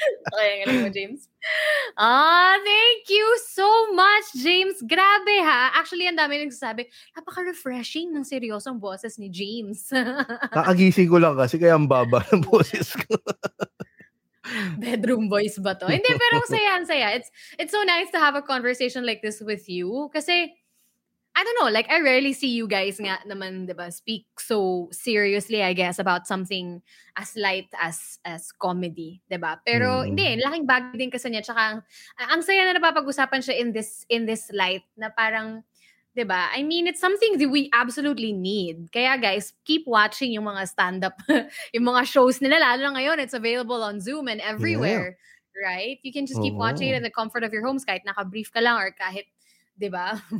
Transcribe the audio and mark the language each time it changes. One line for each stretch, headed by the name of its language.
English: Okay,
Filipino: ang alam mo,
English: James. Thank you so much, James.
Filipino: Grabe ha. Actually, ang dami nagsasabi, napaka-refreshing ng seryosong boses ni James. Nakagising ko lang kasi kaya ang baba ng boses ko. Bedroom voice ba to? Hindi, pero saya.
English: It's so nice to have a conversation like this with you.
Filipino: Kasi,
English: I don't know, like, I rarely see you guys
Filipino: nga naman, diba,
English: speak so seriously, I guess, about something as light as comedy,
Filipino: diba? Pero hindi, laking bagay din kasi niya. Tsaka, ang saya na napapag-usapan siya
English: in this light
Filipino: na parang, diba?
English: I mean, it's something that we absolutely need.
Filipino: Kaya guys, keep watching yung mga stand-up, yung mga shows nila, lalo na ngayon,
English: it's available on Zoom and everywhere, yeah. Right? You can just keep watching it in the comfort of your homes,
Filipino: kahit naka-brief ka lang or kahit, diba?